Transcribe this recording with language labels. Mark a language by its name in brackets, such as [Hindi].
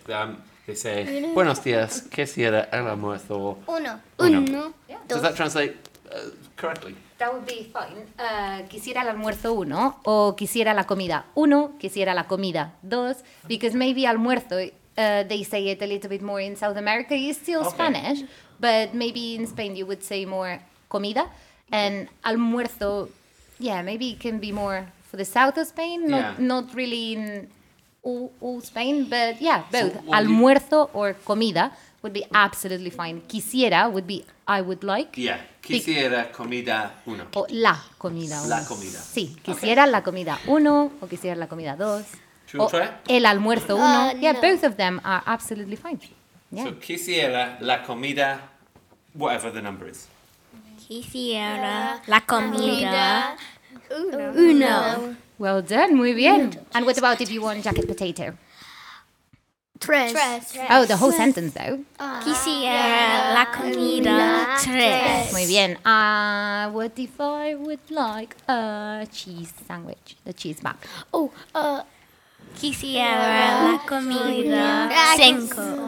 [English] They say, [Spanish] buenos días, que sea el almuerzo. Uno. [English] Yeah. Does that translate correctly? That would be fine. [Spanish] Quisiera el almuerzo uno, o quisiera la comida. Uno, quisiera la comida. [English] Dos, because maybe almuerzo, they say it a little bit more in South America. It's still Spanish, but maybe in Spain you would say more comida. And almuerzo, maybe it can be more for the south of Spain, not really in all Spain, but both. So almuerzo or comida would be absolutely fine. Quisiera would be I would like. [Spanish] Yeah, quisiera comida uno. O la comida uno. La comida. Sí, quisiera la comida uno, o quisiera la comida dos. [English] Should we try it? [Spanish] El almuerzo uno. [English] Both of them are absolutely fine. Yeah. So [Spanish] quisiera la comida, [English] whatever the number is. [Spanish] Quisiera la comida. Uno. [English] Well done, [Spanish] muy bien. [English] And what about if you want jacket potato? [Spanish] Tres. [English] Oh, the whole sentence, though. [Spanish] Quisiera la comida tres. Muy bien. [English] What if I would like a cheese sandwich? The cheese mac. Oh, [Spanish] Quisiera la comida cinco.